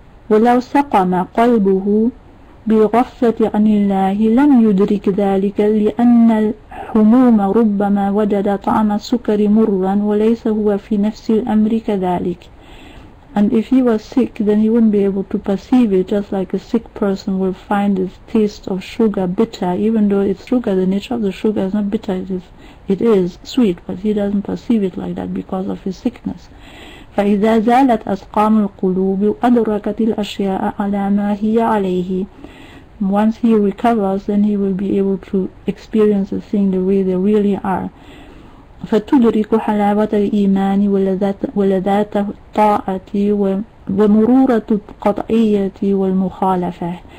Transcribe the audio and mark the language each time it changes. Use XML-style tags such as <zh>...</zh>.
<ar>ولو سقم قلبه بالغفلة عن الله لم يدرك ذلك لأن الحموم ربما وجد طعم السكر مرا وليس هو في نفس الأمر كذلك.</ar> <en>And if he was sick, then he wouldn't be able to perceive it, just like a sick person will find the taste of sugar bitter, even though it's sugar, the nature of the sugar is not bitter, it is sweet, but he doesn't perceive it like that because of his sickness.</en> <ar>فإذا زالت أسقام القلوب وأدركت الأشياء على ما هي عليه.</ar> <en>Once he recovers, then he will be able to experience the things the way they really are.</en> <ar>فتدرك حلاوة الإيمان ولذات الطاعة ومرورة القطعية والمخالفة.</ar>